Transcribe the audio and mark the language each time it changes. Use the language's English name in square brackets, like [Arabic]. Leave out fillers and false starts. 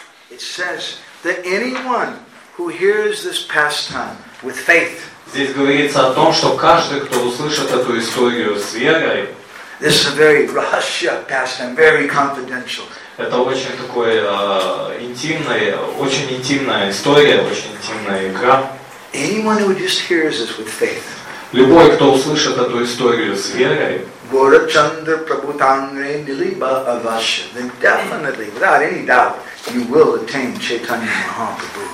[English] It says that anyone who hears this pastime with faith. [Russian] Здесь говорится о том, что каждый, кто услышит эту историю с верой, [English] this is a very Russia pastime, very confidential. [Russian] Это очень такое очень интимная история, очень интимная игра. [English] Anyone who just hears this with faith. [Russian] Любой, кто услышит эту историю с верой, [Bangla] Гора Чандр Прабху Тангри Нилиба Аваши, [English] then definitely, without any doubt, you will attain Chaitanya Mahaprabhu.